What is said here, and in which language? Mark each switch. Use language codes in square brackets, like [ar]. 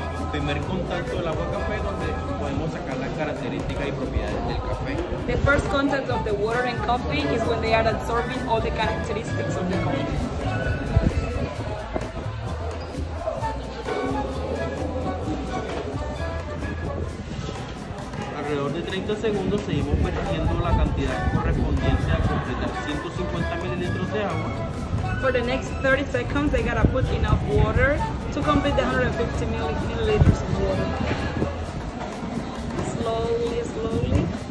[es] Primer contacto del agua café donde podemos sacar las características y propiedades del café. [en] The first contact of the water and coffee is when they are absorbing all the characteristics of the coffee. [es] Alrededor de 30 segundos seguimos vertiendo la cantidad correspondiente a completar 150 mililitros de agua. [en] For the next 30 seconds, they gotta put enough water to complete the 150 milliliters of water. Slowly, slowly.